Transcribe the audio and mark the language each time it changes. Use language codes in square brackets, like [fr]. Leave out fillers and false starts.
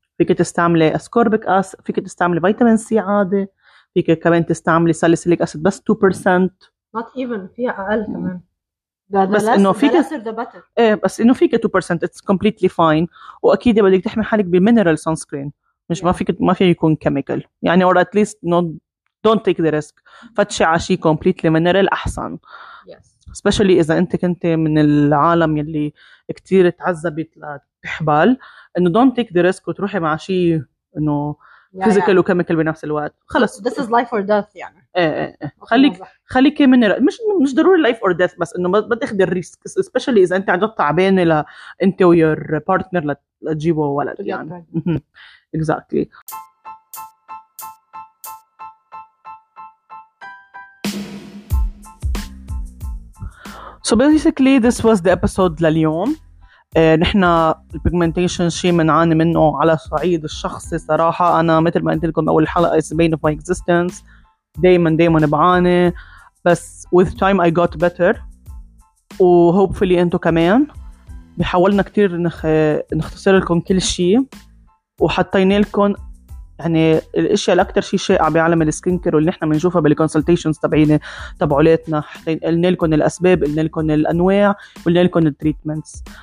[ar] فيك تستعملي أسكوربيك أسيد، فيك تستعملي فيتامين سي عادي، فيك كمان تستعملي ساليسيليك أسيد بس 2%، [en] not even [ar] فيها أقل كمان، بس إنه فيك إيه، بس إنه فيك 2% [en] it's completely fine. [ar] وأكيد بدك تحمي حالك بمينرال سانسكرين، مش yeah. ما في يكون كيميكال يعني، [en] or at least not don't take the risk، [ar] فتشي على شيء [en] completely mineral [ar] أحسن. especially إذا أنت كنت من العالم يلي كتير تعذبت لتحبال، إنه [en] don't take the risk [ar] وتروحي مع شيء إنه physical و chemical بنفس الوقت. خلص [en] this is life or death يعني. [ar] إيه إيه إيه. خليك من مش ضروري life or death، بس إنه ما تاخذ الريسك، especially إذا أنت عندك تعبانة ل أنت و [en] your partner [ar] لتجيبه ولد يعني. [en] exactly. So basically this was the episode لليوم. [ar] نحنا البيجمنتيشن شيء منعاني منه على الصعيد الشخصي صراحة. أنا مثل ما قلت لكم أول حلقة [en] is bane of my existence، [ar] دايما بعاني، بس [en] with time I got better [ar] و hopefully أنتو كمان. بحاولنا كتير نختصر لكم كل شيء وحطينا لكم يعني الاشياء الاكثر شيء شائع بعالم السكين كير واللي احنا بنشوفها بالكونسلتيشنز تبعينه تبعولاتنا، قلنا لكم الاسباب، قلنا لكم الانواع، قلنا لكم التريتمنتس.